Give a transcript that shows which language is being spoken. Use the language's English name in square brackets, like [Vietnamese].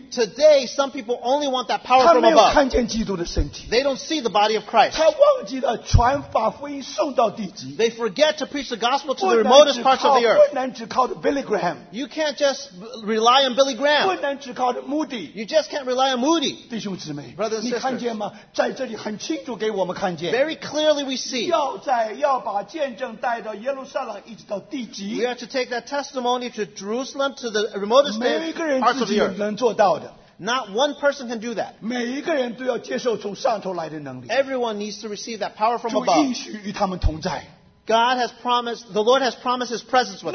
[English] today, some people only want that power from above. [Chinese] 他没有看见基督的身体, [English] they don't see the body of Christ. [Chinese] 他忘记了传把福音送到地极, [English] they forget to preach the gospel to the remotest parts of the earth. [Chinese] 不能只靠的Billy Graham. [English] You can't just rely on Billy Graham. [Chinese] 不能只靠的Moody. [English] You just can't rely on Moody. [Chinese] 弟兄姊妹, [English] brothers and sisters, [Chinese] 清楚给我们看见, [English] very clearly we see, [Chinese] 要把见证带到耶路撒冷一直到地极, [English] we have to take that testimony to Jerusalem, to the remotest parts of the earth. Not one person can do that. Everyone needs to receive that power from above. God has promised, the Lord has promised his presence with